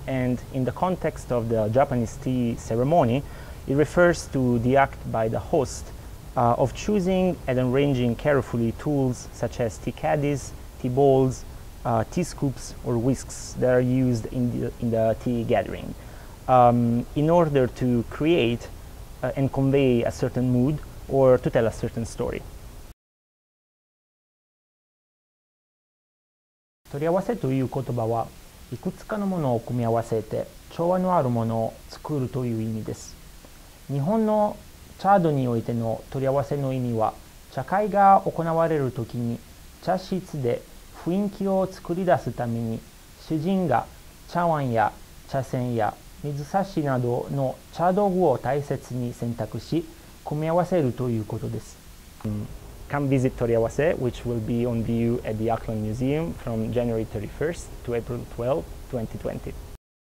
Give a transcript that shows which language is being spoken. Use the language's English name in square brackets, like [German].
[English] And in the context of the Japanese tea ceremony, it refers to the act by the host of choosing and arranging carefully tools such as tea caddies, tea bowls, tea scoops or whisks that are used in the tea gathering in order to create and convey a certain mood or to tell a certain story. [Japanese] 取り合わせという言葉は、いくつかのものを組み合わせて調和のあるものを作るという意味です。日本のチャードにおいての取り合わせの意味は、茶会が行われるときに茶室で雰囲気を作り出すために、主人が茶碗や茶筅や水差しなどの茶道具を大切に選択し、組み合わせるということです。 [English] Come visit Toriawase, which will be on view at the Auckland Museum from January 31st to April 12th, 2020.